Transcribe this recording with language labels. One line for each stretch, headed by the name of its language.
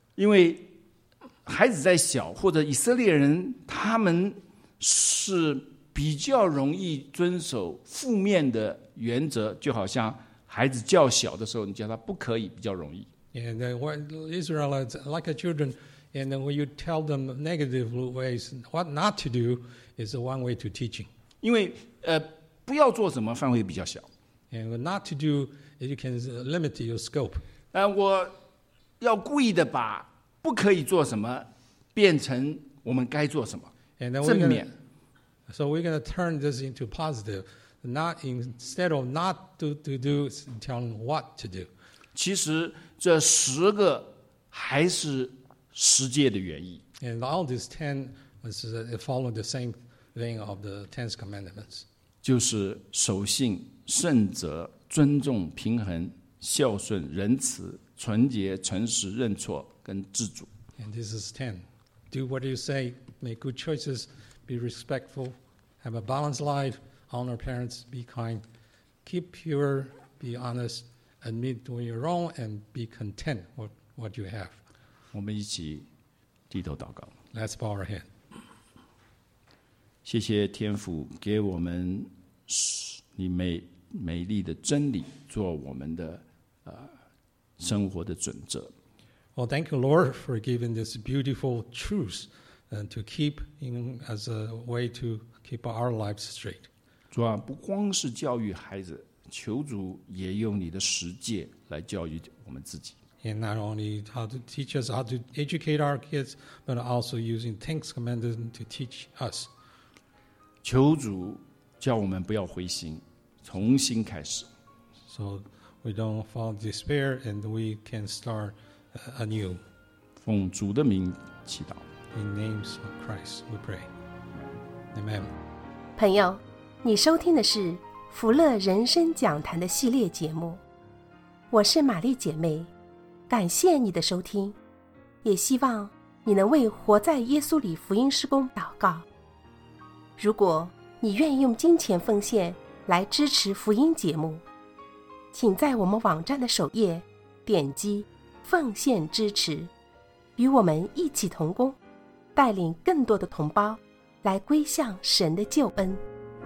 Chinese: 因为孩子在小或者以色列人他们是比较容易遵守负面的原则，就好像孩子较小的时候你叫他不可以比较容易。
English: And when Israelites like a children, and then when you tell them negative ways what not to do is one way to teaching.
Chinese: 因为不要做什么范围比较小。
English: And not to do, you can limit your scope.
Chinese: 但我要故意的把不可以做什么变成我们该做什么。
English: And then we're gonna,
Chinese: 正面。
English: So we're going to turn this into positive. Not instead of not to, to do, tell them what to do.
Chinese: 其实这十个还是十诫的原意。
English: And all these ten follow the same thing of the Ten Commandments.
Chinese: 就是守信、圣责、尊重、平衡、孝顺、仁慈、纯洁、诚实、认错跟知足。
English: And this is ten. Do what you say, make good choices, be respectful, have a balanced life. Honor parents, be kind, keep pure, be honest, admit when you're wrong, and be content with what you have.
Chinese: 我们一起低头祷告。
English: Let's bow our head.
Chinese: 谢谢天父给我们你美丽的真理做我们的生活的准则。
English: Well, thank you, Lord, for giving this beautiful truth to keep in as a way to keep our lives straight.
Chinese: 主啊，不光是教育孩子，求主也用你的实践来教育我们自己。
English: And not only how to teach us how to educate our kids, but also using Ten Commandments to teach us.
Chinese: 求主叫我们不要灰心，重新开始。
English: So we don't fall despair and we can start anew.
Chinese: 奉主的名祈祷。
English: In names of Christ, we pray. Amen.
Chinese: 朋友。你收听的是福乐人生讲坛的系列节目，我是玛丽姐妹，感谢你的收听，也希望你能为活在耶稣里福音事工祷告。如果你愿意用金钱奉献来支持福音节目，请在我们网站的首页点击奉献支持，与我们一起同工，带领更多的同胞来归向神的救恩。